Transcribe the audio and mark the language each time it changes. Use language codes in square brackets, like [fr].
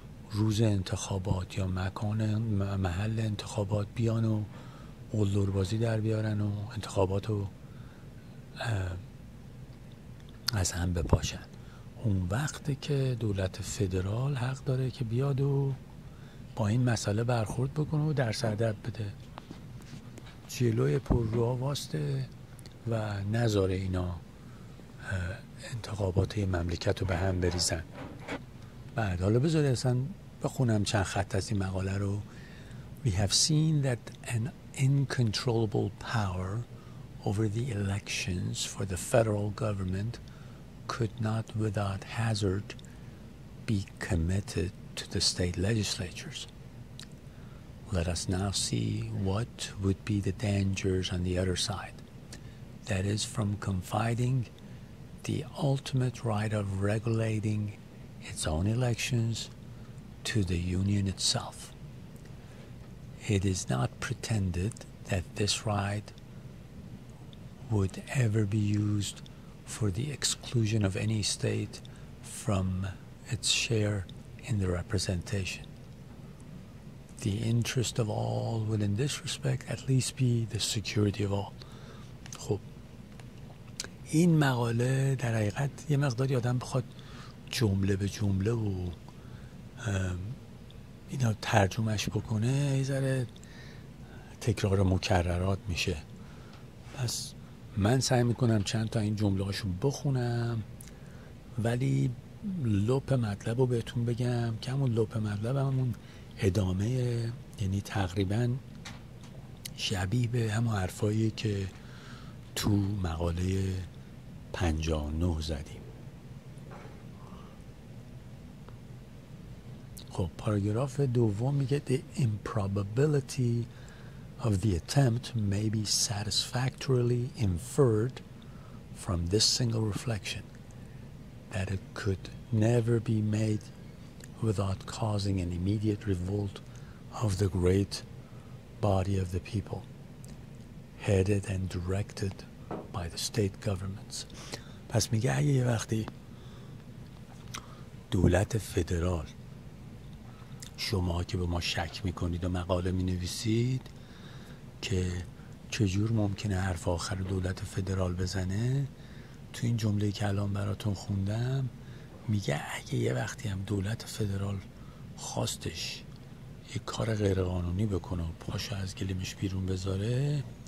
[fa] روز انتخابات یا مکان محل انتخابات بیان و قلدربازی در بیارن و انتخابات رو از هم بپاشن، اون وقته که دولت فدرال حق داره که بیاد و با این مسئله برخورد بکنه و در سردب بده، جلوی پر روها واسته و نذاره اینا انتخابات مملکت رو به هم بریزن. بعد حالا بذاری اصلا بخونم چند خط از این مقاله رو. [en] We have seen that an uncontrollable power over the elections for the federal government could not without hazard be committed to the state legislatures. Let us now see what would be the dangers on the other side, that is from confiding the ultimate right of regulating its own elections to the union itself. It is not pretended that this right would ever be used for the exclusion of any state from its share in the representation. The interest of all would in this respect at least be the security of all. [fa] خب این مقاله در حقیقت یه مقداری آدم بخواد جمله به جمله و اینا ترجمهش بکنه یه ذره تکرار مکررات میشه، پس من سعی میکنم چند تا این جمله هاشو بخونم، ولی لوپ مطلب رو بهتون بگم، که همون لوپ مطلب همون ادامه، یعنی تقریبا شبیه به همون حرفایی که تو مقاله 59 زدیم. خب پاراگراف دوم میگه [en] the improbability of the attempt may be satisfactorily inferred from this single reflection that it could never be made without causing an immediate revolt of the great body of the people headed and directed by the state governments. [fa] پس میگه اگه یه وقتی دولت فدرال، شما که به ما شک میکنید و مقاله مینویسید که چجور ممکنه حرف آخر دولت فدرال بزنه، تو این جمله که الان براتون خوندم میگه اگه یه وقتی هم دولت فدرال خواستش یه کار غیرقانونی بکنه و پاشو از گلیمش بیرون بذاره،